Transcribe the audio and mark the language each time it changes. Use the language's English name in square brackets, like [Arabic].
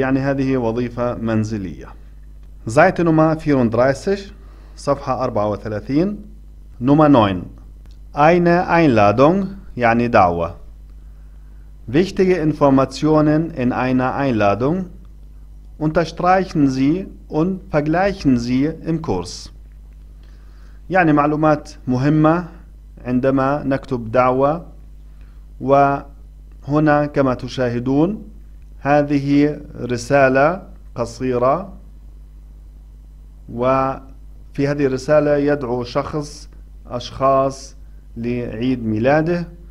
[Arabic] يعني هذه وظيفة منزلية. [German] Seite Nummer 34 [Arabic] صفحة 34 [German] Nummer 9 Eine Einladung [Arabic] يعني دعوة. [German] Wichtige Informationen in einer Einladung unterstreichen Sie und vergleichen Sie im Kurs. [Arabic] يعني معلومات مهمة عندما نكتب دعوة. وهنا كما تشاهدون هذه رسالة قصيرة، وفي هذه الرسالة يدعو شخص أشخاص لعيد ميلاده.